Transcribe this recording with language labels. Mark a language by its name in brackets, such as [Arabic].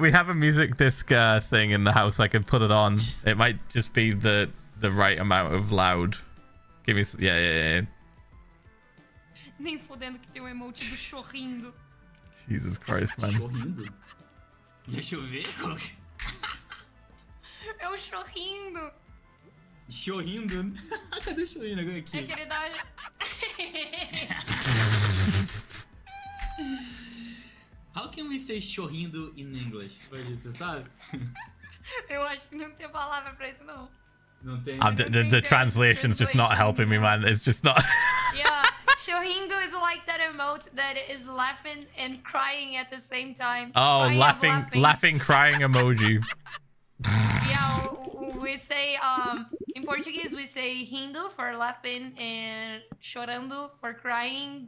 [English] We have a music disc thing in the house. I could put it on. It might just be the right amount of loud. Give me some, yeah. [Portuguese] Nem fodendo que tem um emote do chorrindo. [English] Jesus Christ, man. [Portuguese] Deixa eu ver. É o chorrindo. Chorrindo? Cadê o chorrindo agora aqui? É que ele dá uma... [English] How can we say chorrindo in English? [Portuguese] Você sabe? Eu acho que não tem palavra pra isso, não. Não tem. [English] The translation's just not helping me, man. It's just not... Yeah, chorrindo is like that emote that is laughing and crying at the same time. Oh, laughing, crying emoji. Yeah, we say, in Portuguese, we say rindo for laughing and chorando for crying.